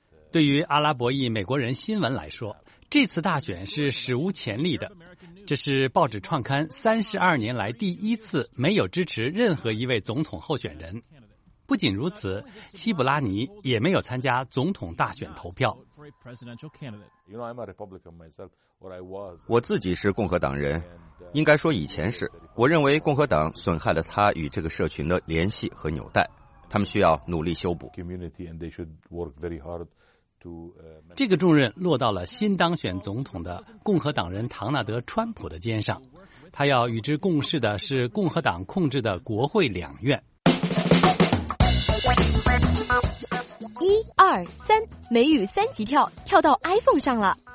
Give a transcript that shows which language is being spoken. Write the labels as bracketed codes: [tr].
[zh] 对于阿拉伯裔美国人新闻来说，这次大选是史无前例的，这是报纸创刊32年来第一次没有支持任何一位总统候选人。不仅如此，希布拉尼也没有参加总统大选投票， [en] great presidential candidate. You know, I'm a Republican myself, or I was. [zh] 我自己是共和党人，应该说以前是。我认为共和党损害了他与这个社群的联系和纽带，他们需要努力修补。 [en] Community and they should work very hard to. [zh] 这个重任落到了新当选总统的共和党人唐纳德·川普的肩上，他要与之共事的是共和党控制的国会两院。一二三，美语三级跳，跳到 iPhone 上了。